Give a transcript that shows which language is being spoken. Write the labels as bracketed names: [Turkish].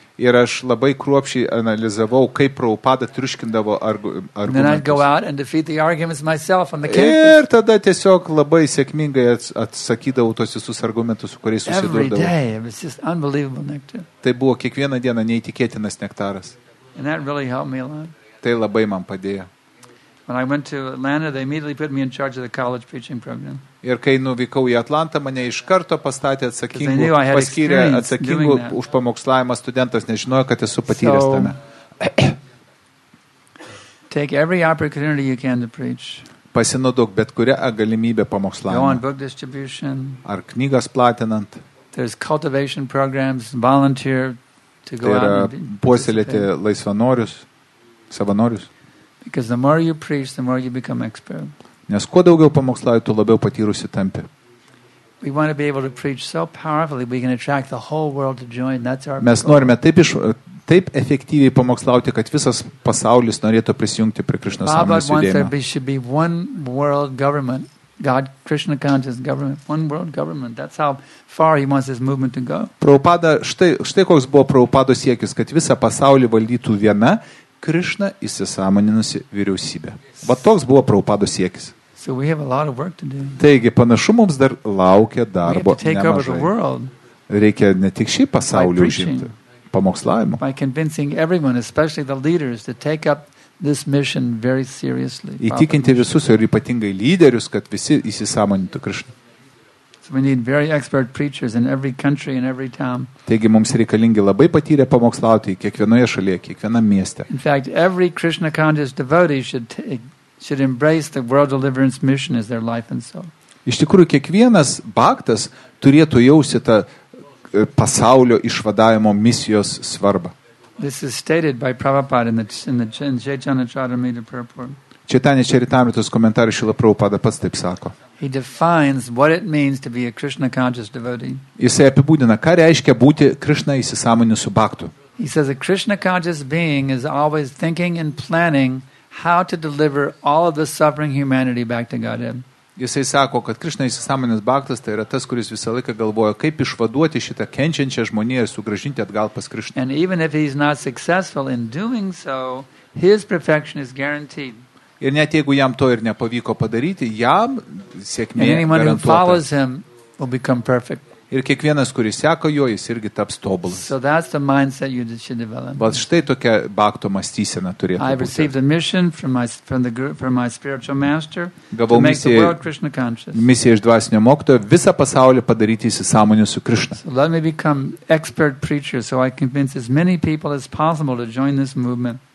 [Lithuanian] Ir aš labai kruopščiai analizavau, kaip Prabhupada triuškindavo argumentus. Ir tada tiesiog labai sėkmingai atsakydavau tos visus argumentus, su kuriais susidurdavau. Tai buvo kiekvieną dieną neįtikėtinas nektaras. Tai labai man padėjo. [English] When I went to Atlanta, they immediately put me in charge of the college preaching program. [Lithuanian] Ir kai nuvykau į Atlantą, mane iš karto pastatė paskyrė atsakingu už pamokslavimą studentas, nežinojo, kad esu patyręs tame. [English] Take every opportunity you can to preach. [Lithuanian] Pasinaudok bet kurią galimybę pamokslavimą. [English] Go on book distribution. [Lithuanian] Ar knygas platinant. [English] There's cultivation programs, volunteer to go out and [Lithuanian] puoselėti laisvanorius. Savanorius. [English] Because the more you preach, the more you become expert. [Lithuanian] Nes kuo daugiau pamokslauji, tu labiau patyrusi tampi. [English] We want to be able to preach so powerfully we can attract the whole world to join. That's our [Lithuanian] Mes norime taip efektyviai pamokslauti, kad visas pasaulis norėtų prisijungti prie Krishna sąmonės judėjimo. [English] Should be one world government, God Krishna conscious government, one world government. That's how far he wants his movement to go. [Lithuanian] Prabhupada, štai koks buvo Prabhupado siekis, kad visą pasaulį valdytų viena Krishna įsisąmoninusi vyriausybė. Va toks buvo Prabhupados siekis. [English] So we have a lot of work to do. [Lithuanian] Taigi, panašu, mums dar laukia darbo nemažai. Reikia ne tik šį pasaulį užimti, pamokslavimu. [English] By convincing everyone, especially the leaders, to take up this mission very seriously. [Lithuanian] Įtikinti visus ir ypatingai lyderius, kad visi įsisąmonintų Krishna. [English] So we need very expert preachers in every country and every town. [Lithuanian] Taigi mums reikalingi labai patyrę pamokslautojai kiekvienoje šalyje, kiekvienam mieste. [English] In fact, every Krishna conscious devotee should embrace the world deliverance mission as their life and soul. [Lithuanian] Iš tikrųjų kiekvienas baktas turėtų jausti tą pasaulio išvadavimo misijos svarbą. [English] This is stated by Prabhupada in the Chaitanya Charitamrita purport. [Lithuanian] Čaitanya Čaritamritos komentarų Šrila Prabhupada pats taip sako. [English] He defines what it means to be a Krishna conscious devotee. [Lithuanian] Jisai apibūdina, ką reiškia būti Krishna įsisąmoninusiu baktu. [English] He says a Krishna conscious being is always thinking and planning how to deliver all of the suffering humanity back to Godhead. [Lithuanian] Jisai sako, kad Krishna įsisąmoninęs baktas tai yra tas, kuris visą laiką galvoja, kaip išvaduoti šitą kenčiančią žmoniją ir sugražinti atgal pas Krishna. [English] And even if he's not successful in doing so, his perfection is guaranteed. [Lithuanian] Ir net jeigu jam to ir nepavyko padaryti, jam sėkmė garantuota. Ir kiekvienas, kuris seka jo, jis irgi taps tobulas. [English] So that's the mindset you should develop. [Lithuanian] Bet štai tokia bakto mąstysena turėtų būti. [English] I received a mission from my spiritual master to make the world Krishna conscious. [Lithuanian] Misija iš dvasinio mokytojo visą pasaulį padaryti įsisąmoninusiu Krishna. [English] So let me become expert preacher so I convince as many people as possible to join this movement.